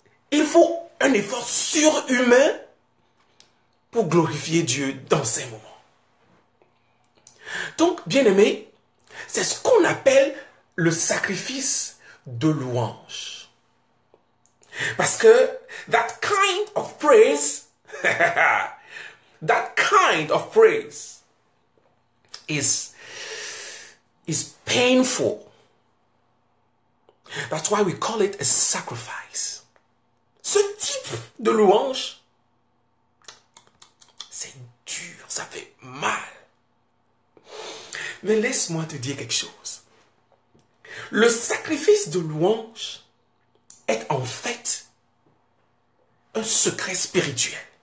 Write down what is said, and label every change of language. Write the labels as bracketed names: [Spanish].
[French] Il faut un effort surhumain pour glorifier Dieu dans ces moments. Donc, bien-aimé, c'est ce qu'on appelle le sacrifice de louange. Parce que [English] that kind of praise, that kind of praise is painful. That's why we call it a sacrifice. [French] Ce type de louange, c'est dur, ça fait mal. Mais laisse-moi te dire quelque chose. Le sacrifice de louange est en fait un secret spirituel.